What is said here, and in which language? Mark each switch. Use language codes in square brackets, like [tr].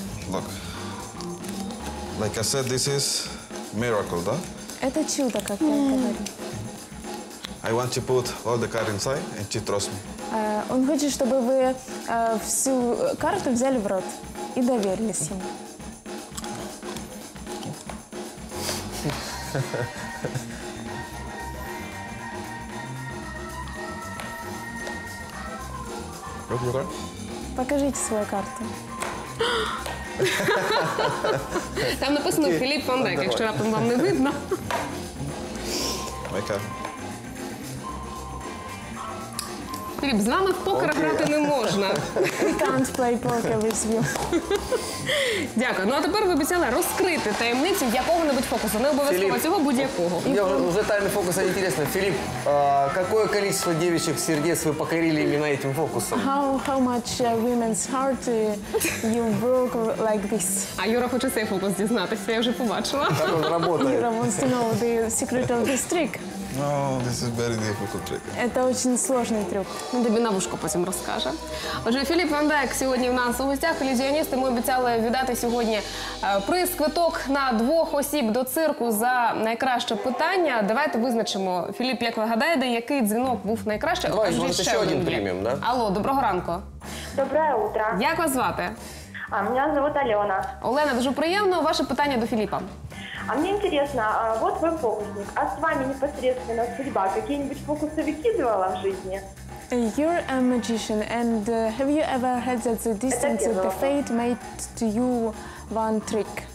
[en] Look, like I said, this is miracle, да? [ru] Это чудо, как я говорю. [en] I want to put all the card inside and she trusts me. [ru] Он хочет, чтобы вы всю карту взяли в рот и доверились ему. Покажите свою карту. [uk] Там написано Філіп Ван Дейк, якщо раптом вам не видно. Філіп, з вами в покер грати не можна. [en] We can't play poker with you. [uk] Дякую. Ну а тепер ви обіцяли розкрити таємницю якого-небудь фокусу. Не обов'язково цього, будь-якого. Уже тайні фокуси інтересні. Філіп, яке кількість дівчих сердець ви покорили іменно цим фокусом? [en] How much women's heart you broke like this? [uk] А Юра хоче цей фокус дізнатися, я вже побачила. Так він працює. [en] Юра wants to know the secret of this trick. No, this is very difficult trick. [ru] Это очень сложный трюк. [uk] Ну, тобі на вушку потім розкаже. Отже, Філіп Ван Дейк сьогодні в нас у гостях. Ілюзіоністи, ми обіцяли віддати сьогодні приз, квиток на двох осіб до цирку за найкраще питання. Давайте визначимо, Філіп, як ви гадаєте, який дзвінок був найкращий? Давай, може, ще один приймем, да? Алло, доброго ранку. [ru] Доброе утро. [uk] Як вас звати? А, мене звати Альона. Олена, дуже приємно. Ваше питання до Філіпа. [ru] А мне интересно, вот вы фокусник, а с вами непосредственно судьба какие-нибудь фокусы выкидывала в жизни? [en] You're a magician, and have you ever had that the distance of the fate made to you one trick?